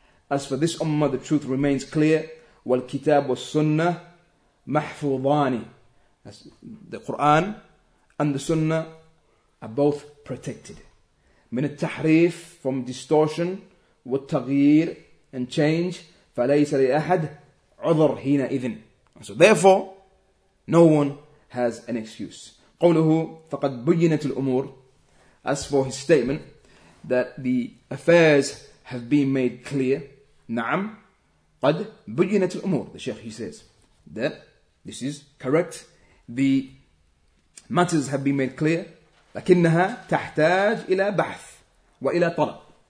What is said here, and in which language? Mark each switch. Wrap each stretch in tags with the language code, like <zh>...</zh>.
<en>As for this ummah, the truth remains clear.</en> <ar>والكتاب والسنة محفوظان.</ar> <en>As the Quran and the Sunnah are both protected.</en> <ar>من التحريف,</ar> <en>from distortion,</en> <ar>والتغيير,</ar> <en>and change,</en> <ar>فليس لأحد عذر حينئذ.</ar> <en>So therefore, no one has an excuse.</en> <ar>قوله فقد بينت الأمور.</ar> <en>As for his statement, that the affairs have been made clear.</en> <ar>نعم, قد بينت الأمور.</ar> <en>The Sheikh, he says, that this is correct. The matters have been made clear.</en> <ar>لكنها تحتاج إلى بحث وإلى طلب.</ar>